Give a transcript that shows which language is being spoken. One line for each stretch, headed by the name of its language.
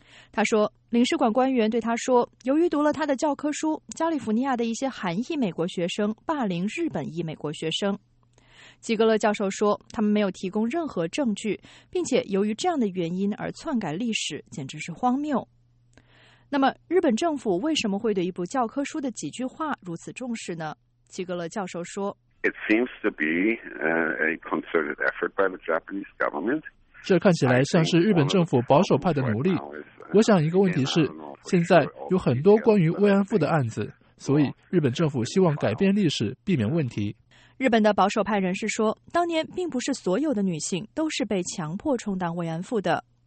Chinese: 他说，领事馆官员对他说，由于读了他的教科书，加利福尼亚的一些韩裔美国学生霸凌日本裔美国学生。基格勒教授说，他们没有提供任何证据，并且由于这样的原因而篡改历史，简直是荒谬。那么，日本政府为什么会对一部教科书的几句话如此重视呢？基格勒教授说
English: ：“It seems to be a concerted effort by the Japanese government.”
Chinese: 这看起来像是日本政府保守派的努力。我想一个问题是，现在有很多关于慰安妇的案子，所以日本政府希望改变历史，避免问题。日本的保守派人士说，当年并不是所有的女性都是被强迫充当慰安妇的。